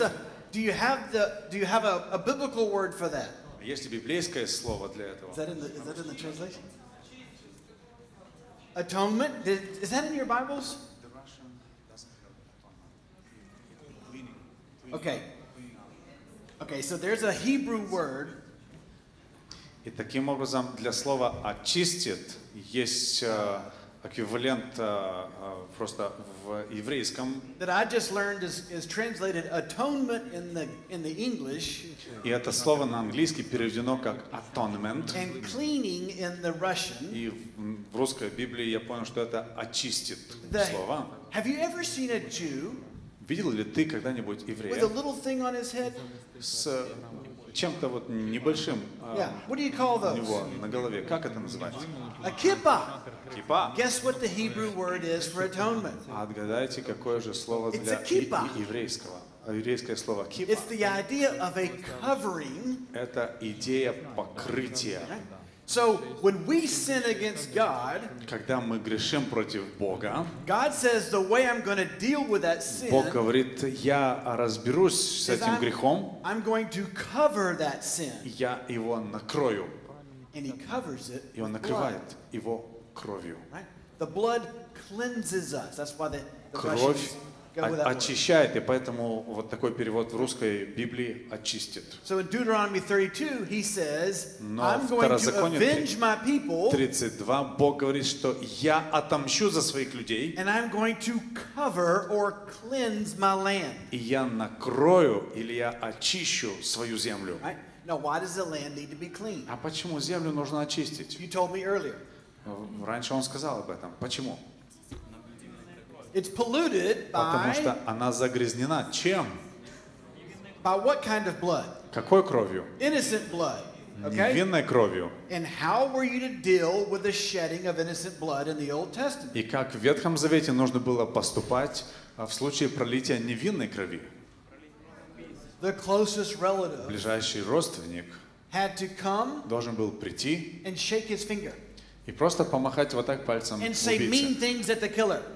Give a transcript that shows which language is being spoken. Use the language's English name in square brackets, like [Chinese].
[English] What's do you have a biblical word for that? [Russian] Есть ли библейское слово для этого? [English] Is that in the translation? Atonement? Is that in your Bibles? The Russian doesn't have atonement. Cleaning. Okay. Okay, so there's a Hebrew word. [Russian] И таким образом для слова очистит есть эквивалент просто в еврейском. [English] That I just learned is translated atonement in the English. [Russian] И это слово на английский переведено как atonement. [English] And cleaning in the Russian. [Russian] И в русской Библии я понял, что это очистит слово. [English] Have you ever seen a Jew? [Russian] Видел ли ты когда-нибудь еврея? [English] With a little thing on his head. [Russian] С чем-то вот небольшим [English] What do you call those? [Russian] У него на голове. Как это называется? [English] A kippah. Kippa. Guess what the Hebrew word is for atonement? [Russian] Отгадайте, какое же слово для еврейского? Еврейское слово kippa. [English] It's the idea of a covering. [Russian] Это идея покрытия. [English] So when we sin against God, [Russian] когда мы грешим против Бога, [English] God says the way I'm going to deal with that sin, [Russian] Бог говорит, я разберусь с этим грехом. [English] I'm going to cover that sin. [Russian] Я его накрою. [English] And he covers it. [Russian] И он накрывает его кровью. [English] The blood cleanses us. That's why [Russian] очищает, и поэтому вот такой перевод в русской Библии очистит. [English] So in Deuteronomy 32 he says, I'm going to avenge my people. [Russian] 32 Бог говорит, что я отомщу за своих людей. [English] And I'm going to cover or cleanse my land. [Russian] И я накрою или я очищу свою землю. [English] Right? Now why does the land need to be cleaned? [Russian] А почему землю нужно очистить? [English] You told me earlier. [Russian] Раньше он сказал об этом. Почему? [English] It's polluted by. [Russian] Потому что она загрязнена чем? [English] By what kind of blood? [Russian] Какой кровью? [English] Innocent blood. Okay? [Russian] Невинной кровью. [English] And how were you to deal with the shedding of innocent blood in the Old Testament? [Russian] И как в Ветхом Завете нужно было поступать в случае пролития невинной крови? [English] The closest relative. [Russian] Ближайший родственник. [English] Had to come. [Russian] Должен был прийти. [English] And shake his finger. [Russian] И просто помахать вот так пальцем убийце. [English] And say mean things at the killer.